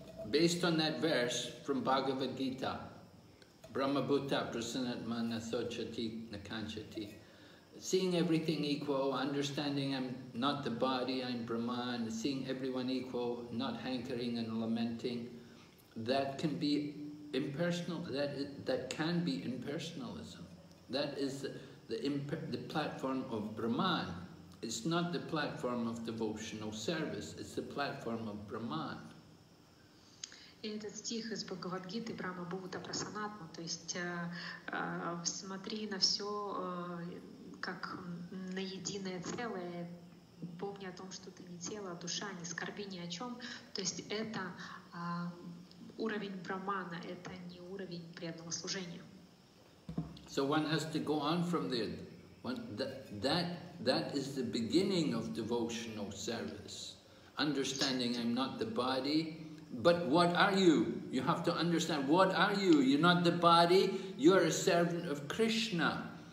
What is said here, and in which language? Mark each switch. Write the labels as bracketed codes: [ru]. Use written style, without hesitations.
[en] Based on that verse from Bhagavad Gita, Brahmabhuta prasannatma nasochati nakanchati, seeing everything equal, understanding I'm not the body, I'm Brahman, seeing everyone equal, not hankering and lamenting, that can be impersonal, that can be impersonalism. That is the platform of Brahman. It's not the platform of devotional service, it's the platform of Brahman. [ru] И этот стих из Бхагавадгиты Брама Бхута Прасанатма, то есть смотри на все как на единое целое, помни о том, что ты не тело, а душа, не скорби ни о чем. То есть это уровень брахмана, это не уровень преданного служения. [en] So one has to go on from there. That is the beginning of devotional service. Understanding I'm not the body, but what are you? You have to understand, what are you? You're not the body, you're a servant of Krishna.